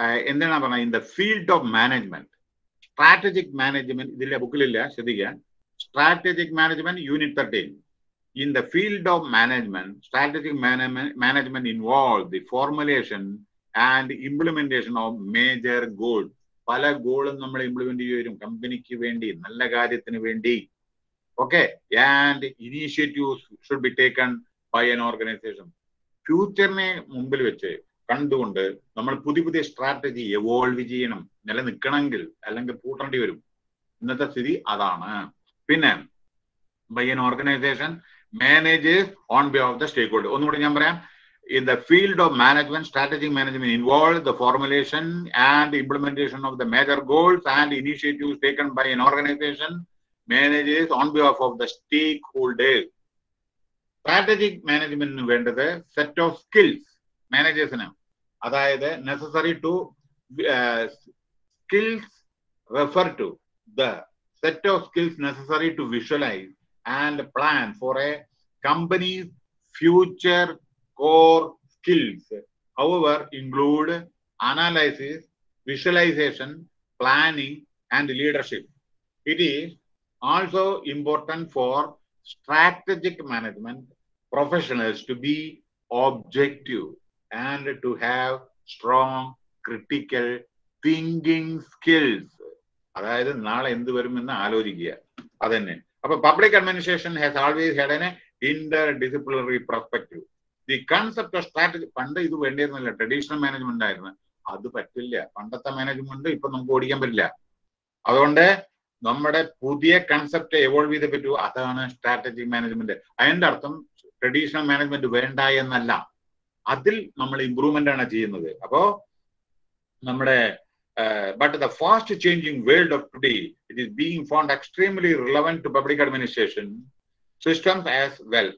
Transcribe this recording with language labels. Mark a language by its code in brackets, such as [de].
[ml] എന്താണ് പറഞ്ഞ [en] in the field of management strategic management, [ml] ഇതില്ല ബുക്കിലില്ല ശ്രദ്ധിക്കാൻ, [en] Strategic management unit 13. In the field of management, strategic management involves the formulation and implementation of major goals. [ml] പല ഗോളും നമ്മൾ implement ചെയ്യും കമ്പനിക്ക് വേണ്ടി, നല്ല കാര്യത്തിന് വേണ്ടി. [en] Okay, and initiatives should be taken by an organisation. [ml] ഫ്യൂച്ചറിനെ മുമ്പിൽ വെച്ച് കണ്ടുകൊണ്ട് നമ്മൾ പുതിയ പുതിയ സ്ട്രാറ്റജി എവോൾവ് ചെയ്യണം നിലനിൽക്കണമെങ്കിൽ, അല്ലെങ്കിൽ പൂട്ടേണ്ടി വരും. ഇന്നത്തെ സ്ഥിതി അതാണ്. പിന്നെ [en] By an organisation managers on behalf of the stakeholder. [ml] ഒന്നുകൂടി ഞാൻ പറയാം, [en] In the field of management strategic management involve the formulation and implementation of the major goals and initiatives taken by an organisation managers on behalf of the stakeholders. [ml] Strategic മാനേജ്മെന്റിന് വേണ്ടത് [en] Set of skills മാനേജേഴ്സിന്, അതായത് necessary to skills refer to the set of skills necessary to visualise and plan for a company's future core skills. However, include analysis, visualization, planning, and leadership. It is also important for strategic management professionals to be objective and to have strong critical thinking skills. [ml] അതായത് നാളെ എന്ത് വരുമെന്ന് ആലോചിക്കുക. അത് തന്നെ. അപ്പൊ [en] Public administration has always had a inter disciplinary perspective. The concept of strategy [ml] പണ്ട് ഇത് വേണ്ടിയിരുന്നില്ല, ട്രഡീഷണൽ മാനേജ്മെന്റ് ആയിരുന്നു. അത് പറ്റില്ല, പണ്ടത്തെ മാനേജ്മെന്റ് ഇപ്പൊ നമുക്ക് ഓടിക്കാൻ പറ്റില്ല. അതുകൊണ്ട് നമ്മുടെ പുതിയ കൺസെപ്റ്റ് എവോൾവ് ചെയ്ത് പറ്റൂ, അതാണ് സ്ട്രാറ്റജിക് മാനേജ്മെന്റ്. അതിന്റെ അർത്ഥം ട്രഡീഷണൽ മാനേജ്മെന്റ് വേണ്ട എന്നല്ല, അതിൽ നമ്മൾ ഇമ്പ്രൂവ്മെന്റ് ആണ് ചെയ്യുന്നത്. അപ്പോ നമ്മുടെ [en] but the fast changing world of today, it is being found extremely relevant to public administration systems as well.